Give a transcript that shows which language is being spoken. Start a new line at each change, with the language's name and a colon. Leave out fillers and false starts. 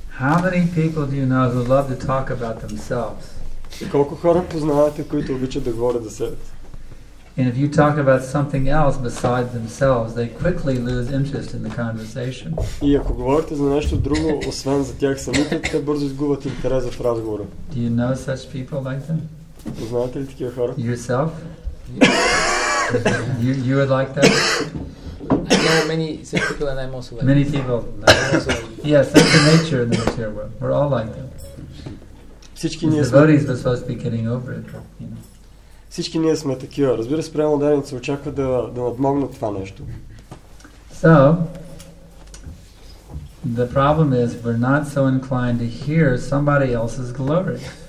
English: How many people do you know who love to talk about themselves?
Bulgarian: Колко хора познавате, които обичат да говорят за себе си?
English: And if you talk about something else besides themselves, they quickly lose interest in the conversation.
Bulgarian: И ако говорите за нещо друго освен за тях самите, те бързо изгубват интерес в разговора.
English: Do you know such people like them? Познавате ли такива хора? Yourself? You would like that? I know many such people and I'm also like many people. Yes, that's the nature of the material world. We're all like them.
Bulgarian: Всички ние сме.
English: The devotees must be getting over it, you know.
Bulgarian: Всички ние сме такива. Разбира се, прямо даденица очаква да надмогнат това нещо.
English: So, the problem is we're not so inclined to hear somebody else's glory.